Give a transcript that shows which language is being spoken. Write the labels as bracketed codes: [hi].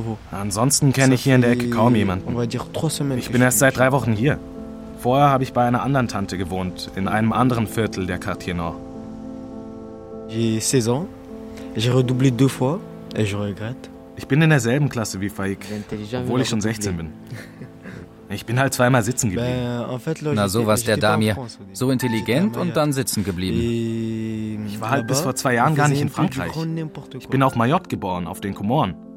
[de] Ansonsten kenne ich hier in der Ecke kaum jemanden. Ich bin erst seit 3 Wochen hier. Vorher habe ich bei einer anderen Tante gewohnt, in einem anderen Viertel der Quartier Nord. [fr] J'ai 16 ans. J'ai redoublé 2 fois et je regrette. [de] Ich bin in derselben Klasse wie Faik, obwohl ich schon 16 bin. Ich bin halt 2-mal sitzen geblieben. Na sowas, der Damir. So intelligent und dann sitzen geblieben. Ich war halt bis vor 2 Jahren gar nicht in Frankreich. Ich bin auf Mayotte geboren, auf den Komoren.